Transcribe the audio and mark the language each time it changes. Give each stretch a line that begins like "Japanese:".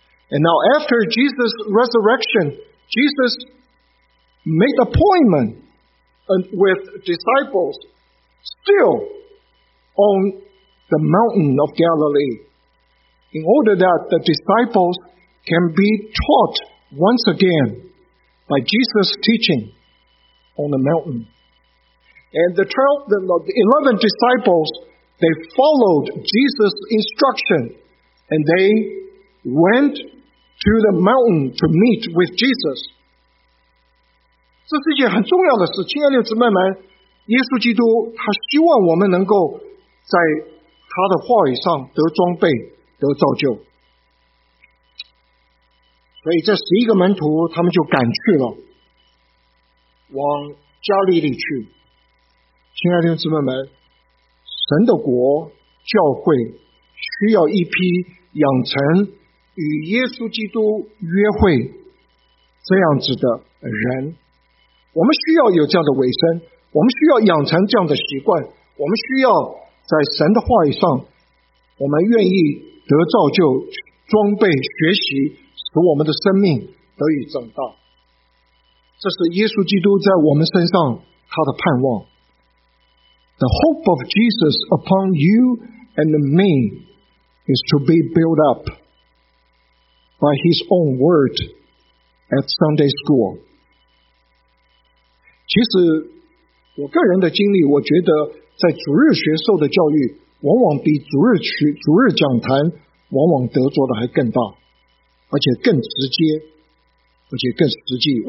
English: And now after Jesus' resurrection, Jesus made appointment with disciples still on the mountain of Galilee in order that the disciples can be taught once again by Jesus' teaching on the mountain. And the 11 disciples, they followed Jesus' instruction and they went to the mountain to meet with Jesus.
Chinese: 这是一件很重要的事。亲爱的姊妹们，耶稣基督他希望我们能够在他的话语上得装备，得造就。所以这十一个门徒他们就赶去了，往加利利去。亲爱的姊妹们，神的国教会需要一批养成与耶稣基督约会这样子的人。我们需要有这样的尾声，我们需要养成这样的习惯，我们需要在神的话语上我们愿意得造就，装备学习，使我们的生命得以长大。这是耶稣基督在我们身上他的盼望。
English: The hope of Jesus upon you and me is to be built up by His own word at Sunday school.
Chinese: 其实我个人的经历，我觉得在主日学受的教育往往比主日讲坛往往得着的还更大，而且更直接，而且更实际。